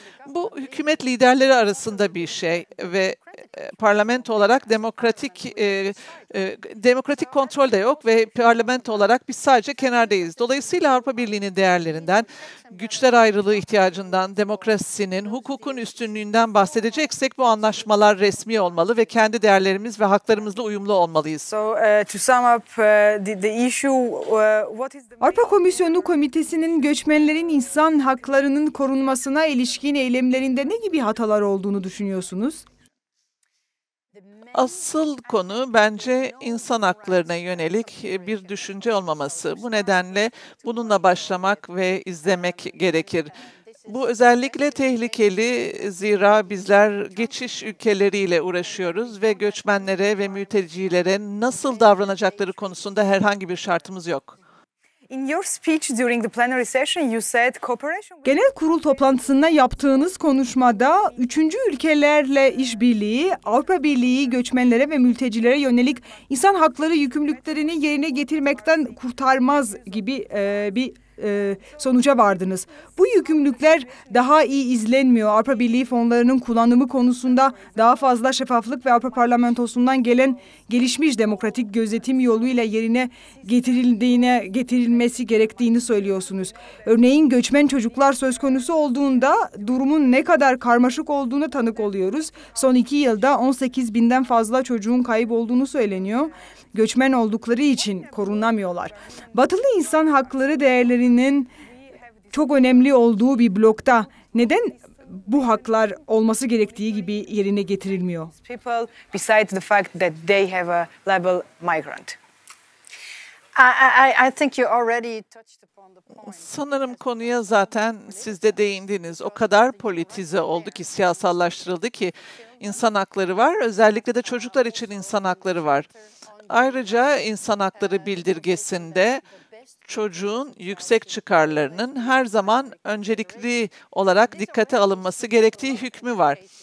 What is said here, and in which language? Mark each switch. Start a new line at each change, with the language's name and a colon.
Turkish: Bu hükümet liderleri arasında bir şey ve parlamento olarak demokratik kontrol de yok ve parlamento olarak biz sadece kenardayız. Dolayısıyla Avrupa Birliği'nin değerlerinden, güçler ayrılığı ihtiyacından, demokrasinin, hukukun üstünlüğünden bahsedeceksek bu anlaşmalar resmi olmalı ve kendi değerlerimiz ve haklarımızla uyumlu olmalıyız.
English: So, to sum up, the issue, what is the...
Turkish: Avrupa Komisyonu Komitesi'nin göçmenlerin insan haklarının korunmasına ilişkin eylemlerinde ne gibi hatalar olduğunu düşünüyorsunuz? Asıl konu bence insan haklarına yönelik bir düşünce olmaması. Bu nedenle bununla başlamak ve izlemek gerekir. Bu özellikle tehlikeli, zira bizler geçiş ülkeleriyle uğraşıyoruz ve göçmenlere ve mültecilere nasıl davranacakları konusunda herhangi bir şartımız yok.
English: In your speech during the plenary session, you said cooperation.
Turkish: Genel kurul toplantısında yaptığınız konuşmada üçüncü ülkelerle işbirliği, Avrupa Birliği göçmenlere ve mültecilere yönelik insan hakları yükümlülüklerini yerine getirmekten kurtarmaz gibi sonuca vardınız. Bu yükümlülükler daha iyi izlenmiyor. Avrupa Birliği fonlarının kullanımı konusunda daha fazla şeffaflık ve Avrupa Parlamentosu'ndan gelen gelişmiş demokratik gözetim yoluyla yerine getirilmesi gerektiğini söylüyorsunuz. Örneğin göçmen çocuklar söz konusu olduğunda durumun ne kadar karmaşık olduğunu tanık oluyoruz. Son iki yılda 18 binden fazla çocuğun kaybolduğunu söyleniyor. Göçmen oldukları için korunamıyorlar. Batılı insan hakları değerlerinin çok önemli olduğu bir blokta neden bu haklar olması gerektiği gibi yerine getirilmiyor?
English: People besides the fact that they have a label migrant. I think you already touched upon the point.
Turkish: Sanırım konuya zaten siz de değindiniz. O kadar politize oldu ki, siyasallaştırıldı ki insan hakları var, özellikle de çocuklar için insan hakları var. Ayrıca insan hakları bildirgesinde çocuğun yüksek çıkarlarının her zaman öncelikli olarak dikkate alınması gerektiği hükmü var.